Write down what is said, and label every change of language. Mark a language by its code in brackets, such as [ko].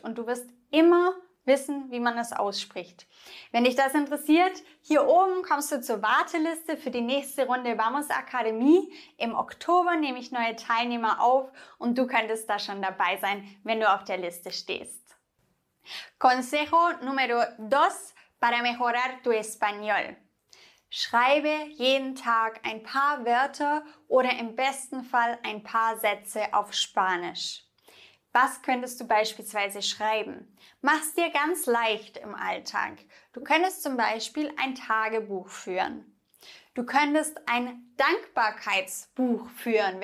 [de] Und du wirst immer wissen, wie man es ausspricht. Wenn dich das interessiert, hier oben kommst du zur Warteliste für die nächste Runde Vamos Akademie. Im Oktober nehme ich neue Teilnehmer auf und du könntest da schon dabei sein, wenn du auf der Liste stehst. [es] Consejo número 2 para mejorar tu español. [de] Schreibe jeden Tag ein paar Wörter oder im besten Fall ein paar Sätze auf Spanisch. Was könntest du beispielsweise schreiben? Mach es dir ganz leicht im Alltag. Du könntest zum Beispiel ein Tagebuch führen. Du könntest ein Dankbarkeitsbuch führen.